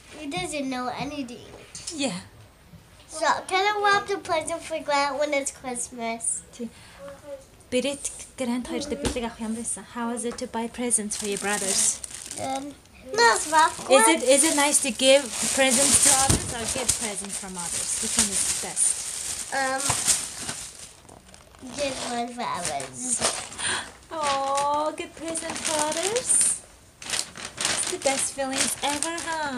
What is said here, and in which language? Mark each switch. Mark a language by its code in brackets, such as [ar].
[en] He doesn't know anything. Yeah. So, can I wrap the present for Grant when it's Christmas? [mn] Тэ. Бэрэт Грант хоёрдоо бэлэг авах ямар байсан? [en] How was it to buy presents for your brothers? Nice. Is it nice to give presents to others or get presents from others? Which one is best? Good one for others. Aww, good present for others. It's the best feeling ever, huh?